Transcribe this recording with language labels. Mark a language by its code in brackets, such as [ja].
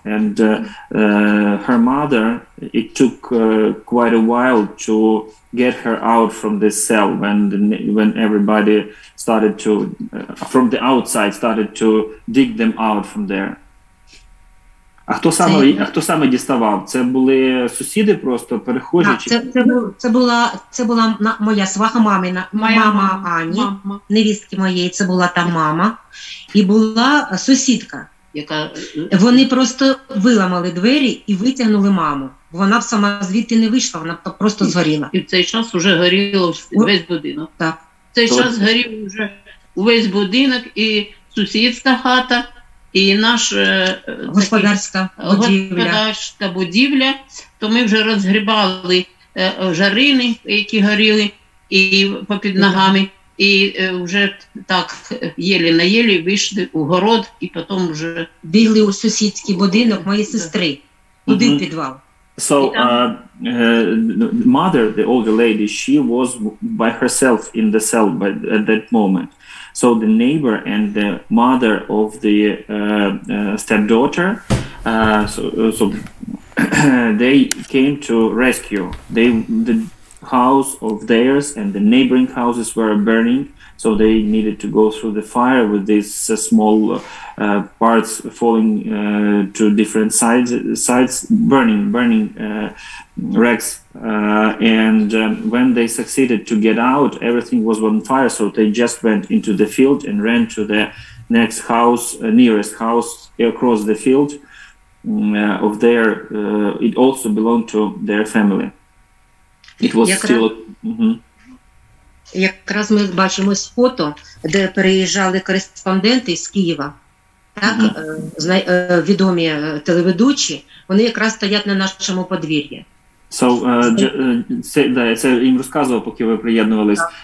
[en] And her mother, it took quite a while to get her out from this cell when everybody started to from the outside started to dig them out from there. [uk] А хто саме діставав? Це були сусіди просто переходячі? Так, це була моя сваха мамина, мама Ані, мама. Невістки моєї, це була та мама, і була сусідка, яка вони просто виламали двері і витягнули маму. Вона сама звідти не вийшла, вона просто згоріла. І в цей час уже горіло весь будинок. Так. В цей час горів вже весь будинок, і сусідська хата, і наша господарська будівля, то ми вже розгрібали жарини, які горіли, і попід ногами, і вже так єлі на єлі вийшли у город, і потім вже бігли у сусідський будинок моєї сестри, один підвал. [en] So the mother, the older lady, she was by herself in the cell at that moment. So the neighbor and the mother of the stepdaughter, so they came to rescue. They the house of theirs and the neighboring houses were burning. So they needed to go through the fire with these small parts falling to different sides, burning wrecks. When they succeeded to get out, everything was on fire. So they just went into the field and ran to the next house, nearest house across the field of their, it also belonged to their family. It was still... [uk] Якраз ми бачимо фото, де переїжджали кореспонденти з Києва, так, відомі телеведучі, вони якраз стоять на нашому подвір'ї. So, це їм розказував, поки ви приєднувались.